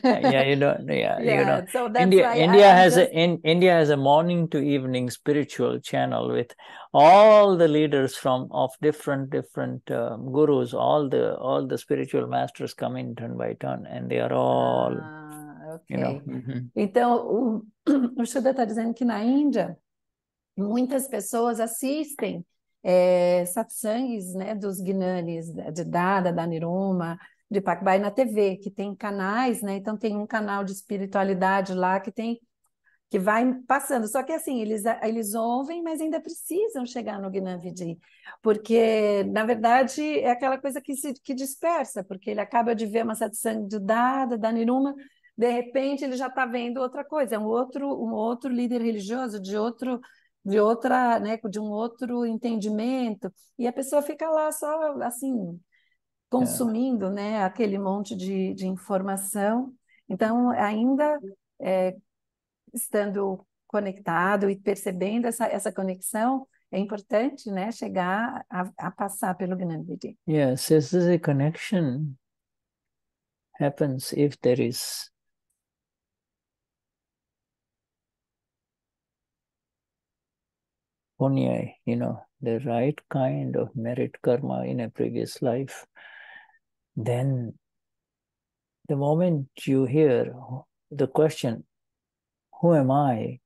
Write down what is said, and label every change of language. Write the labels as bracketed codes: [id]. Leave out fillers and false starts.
[en] Yeah, you don't. Yeah, you don't. So that's India has a morning to evening spiritual channel with all the leaders of different gurus, all the spiritual masters come in turn by turn, and they are all, okay. You know. [pt] Então, o Shuddha está dizendo que na Índia, muitas pessoas assistem satsangs, né, dos Gnanis, de Dada, da Niruma, de Pakbai na TV, que tem canais, né, então tem um canal de espiritualidade lá que vai passando, só que assim, eles ouvem, mas ainda precisam chegar no Gnanvidhi, porque, na verdade, é aquela coisa que dispersa, porque ele acaba de ver uma satsang de Dada, da Niruma, de repente ele já está vendo outra coisa, é um outro líder religioso de outro... De outra, né, de um outro entendimento, e a pessoa fica lá só assim, consumindo, né, aquele monte de informação. Então, ainda estando conectado e percebendo essa conexão, é importante, né, chegar a passar pelo Gnanvidhi. [en] Yes, this is a connection happens if there is. You know, the right kind of merit karma in a previous life, then the moment you hear the question, who am I?